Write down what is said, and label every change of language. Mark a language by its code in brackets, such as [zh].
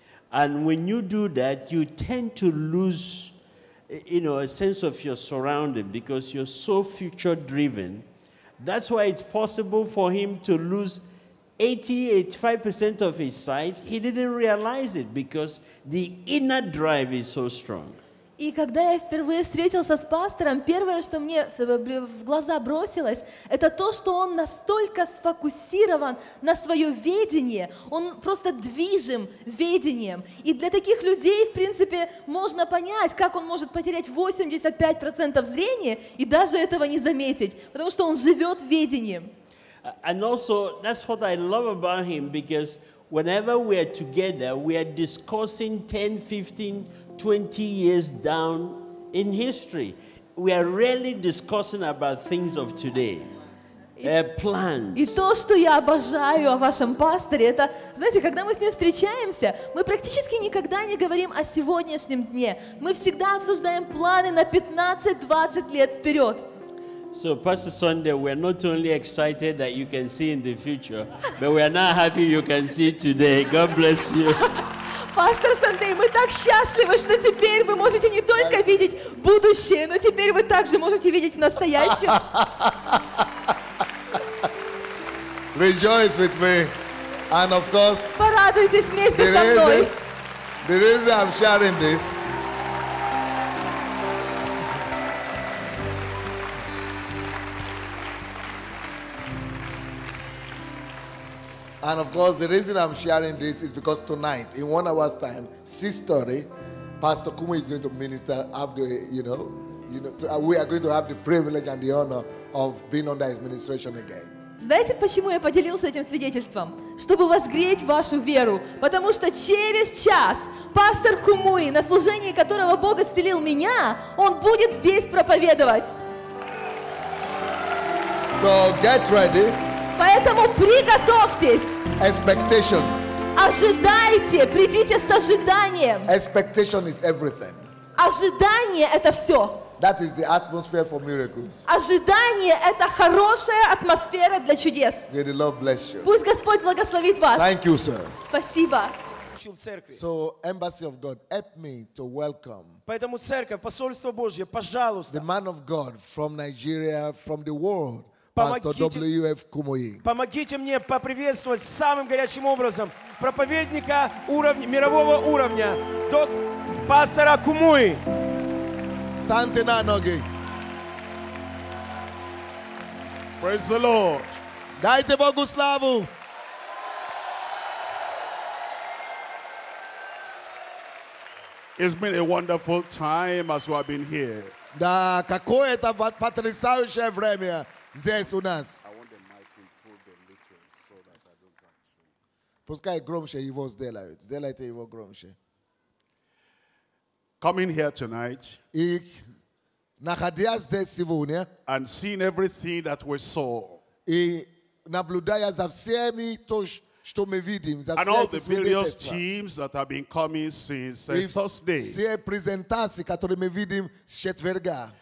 [en] And when you do that, you tend to lose, you know, a sense of your surrounding because you're so future-driven. That's why it's possible for him to lose 85% of his sight. He didn't realize it because the inner drive is so strong. [ru] И когда я впервые встретился с пастором, первое, что мне в глаза бросилось, это то, что он настолько сфокусирован на свое видение, он просто движим видением. И для таких людей, в принципе, можно понять, как он может потерять 85% зрения и даже этого не заметить, потому что он живет видением. [en] And also, that's what I love about him, because whenever we are together, we are discussing 10, 15, 20 years down in history. We are rarely discussing about things of today. plans. [ru] И то, что я обожаю о вашем пасторе, это, знаете, когда мы с ним встречаемся, мы практически никогда не говорим о сегодняшнем дне. Мы всегда обсуждаем планы на 15-20 лет вперед. [en] So, Pastor Sunday, we are not only excited that you can see in the future, but we are now happy you can see today. God bless you. [ru] Пастор Сандей, мы так счастливы, что теперь вы можете не только видеть будущее, но теперь вы также можете видеть настоящее. [en] Rejoice with me. And of course, [ru] порадуйтесь вместе со мной. [en] The reason I'm sharing this And of course, the reason I'm sharing this is because tonight, in 1 hour's time, 6:30, Pastor Kumu is going to minister after, we are going to have the privilege and the honor of being under his ministration again. [ru] Знаете, почему я поделился этим свидетельством? Чтобы возгреть вашу веру. Потому что через час пастор Кумуи, на служении которого Бог исцелил меня, он будет здесь проповедовать. [en] So, get ready. [ru] Поэтому приготовьтесь. [en] Expectation. [ru] Ожидайте, придите с ожиданием. [en] Expectation is everything. [ru] Ожидание – это все. [en] That is the atmosphere for miracles. [ru] Ожидание – это хорошая атмосфера для чудес. [en] May the Lord bless you. [ru] Пусть Господь благословит вас. [en] Thank you, sir. [ru] Спасибо. [en] So, Embassy of God, help me to welcome. [ru] Поэтому церковь, посольство Божье, пожалуйста. [en] The man of God from Nigeria, from the world. Pastor W.F. Kumuyi. [ru] Помогите мне поприветствовать самым горячим образом проповедника уровня, мирового уровня, пастора Кумуи. Встаньте на ноги. [en] Praise the Lord. [ru] Дайте Богу славу. [en] It's been a wonderful time as we have been here. [ru] Да, какое это потрясающее время. Здесь у нас. Пускай громче его сделают. Сделайте его громче. [en] Coming here tonight. [ru] И находясь здесь сегодня. [en] And seeing everything that we saw. [ru] И наблюдая за всеми то, что мы видим. [en] And all the various teams that have been coming since Thursday. [ru] Все презентации, которые мы видим с четверга.